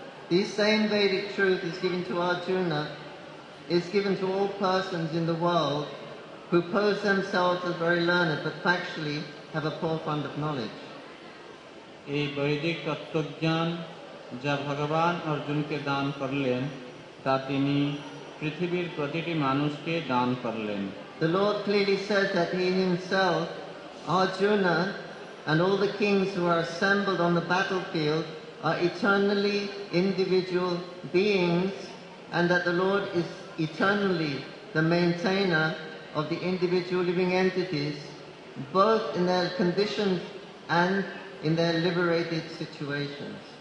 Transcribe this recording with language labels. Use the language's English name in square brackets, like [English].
[English] This same Vedic truth is given to Arjuna. Is given to all persons in the world who pose themselves as very learned but factually have a poor fund of knowledge. [Bangla] এই বৈদিক তত্ত্বজ্ঞান যা ভগবান অর্জুনকে দান করলেন তা তিনি পৃথিবীর প্রতিটি মানুষকে দান করলেন। [English] The Lord clearly says that he himself, Arjuna, and all the kings who are assembled on the battlefield are eternally individual beings, and that the Lord is eternally the maintainer of the individual living entities, both in their conditions and in their liberated situations.